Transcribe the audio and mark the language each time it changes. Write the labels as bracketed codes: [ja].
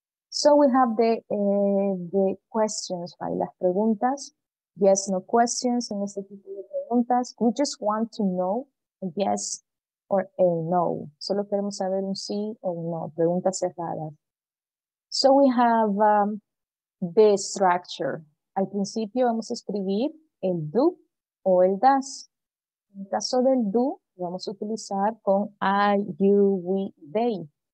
[en] So we have the questions, right? [es] Las preguntas [en] yes, no questions, [es] en este tipo de preguntas. [en] We just want to know a yes or a no. [es] Solo queremos saber un sí o un no, preguntas cerradas. [en] So we have the structure. [es] Al principio vamos a escribir el do o el does. En caso del do, vamos a utilizar con I, you, we, they.